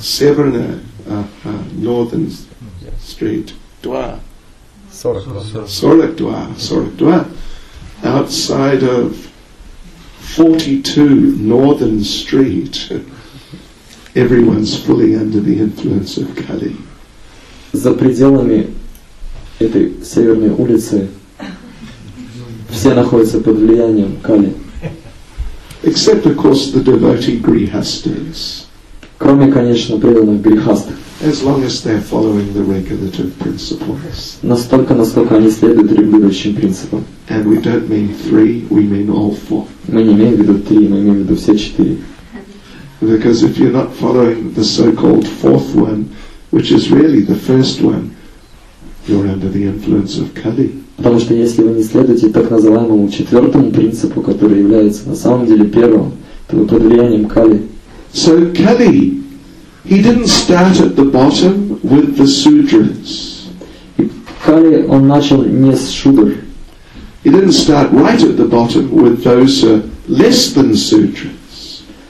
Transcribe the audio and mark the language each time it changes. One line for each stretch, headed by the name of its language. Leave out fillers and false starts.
English: Северная, Northern Street, 2. 42. 42. Outside of 42 Northern Street, everyone's fully under the influence of Kali.
Russian: За пределами этой северной улицы все находятся под влиянием Кали.
English: Except, of course, the devotee grihasthas.
Russian: Кроме, конечно, преданных грихаст.
English: As long as they're following the regulative principles.
Russian: Настолько, насколько они следуют регулирующим принципам.
English: And we don't mean three, we mean all four.
Russian: Мы не имеем в виду три, мы имеем в виду все четыре.
English: Because if you're not following the so-called fourth one, which is really the first one, you're under the influence of Kali.
Russian: Потому что если вы не следуете так называемому четвертому принципу, который является на самом деле первым, то вы под влиянием Кали.
English: So Kali, he didn't start at the bottom with the sudras.
Russian: Кали, он начал не с шудр.
English: He didn't start right at the bottom with those less than sudras.